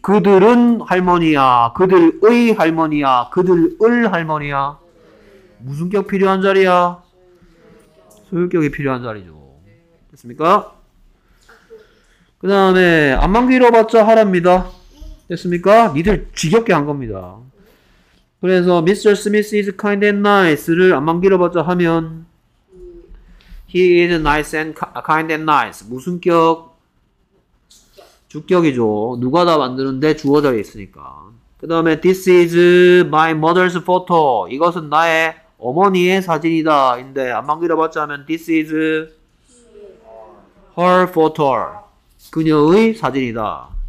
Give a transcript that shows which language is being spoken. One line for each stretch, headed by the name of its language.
Korean: 그들은 할머니야. 그들의 할머니야. 그들을 할머니야. 무슨 격 필요한 자리야? 소유격이 필요한 자리죠. 됐습니까? 그 다음에 안만 길어봤자 하랍니다. 됐습니까? 니들 지겹게 한 겁니다. 그래서 Mr.
English: Smith is kind and nice
Korean: 를 안만 길어봤자 하면
English: He is nice and kind and nice.
Korean: 무슨 격? 주격이죠. 누가 다 만드는데 주어절이 있으니까. 그 다음에
English: This is my mother's photo.
Korean: 이것은 나의 어머니의 사진이다. 인데 안만 길어봤자 하면
English: This is her photo.
Korean: 그녀의 사진이다.